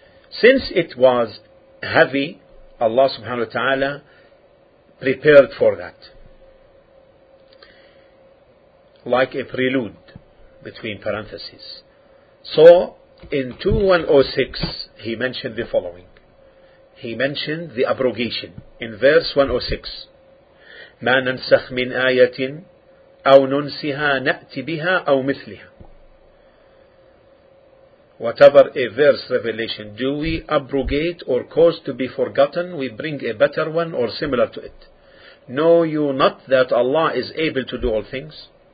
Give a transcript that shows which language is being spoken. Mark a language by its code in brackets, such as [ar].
[en] Since it was heavy, Allah subhanahu wa ta'ala prepared for that, like a prelude, between parentheses. So, in 2106, he mentioned the following. He mentioned the abrogation. In verse 106, [ar] مَا نَنْسَخْ مِنْ آيَةٍ أَوْ نُنْسِهَا نَأْتِ بِهَا أَوْ مِثْلِهَا. [en] Whatever a verse revelation, do we abrogate or cause to be forgotten, we bring a better one or similar to it. Know you not that Allah is able to do all things?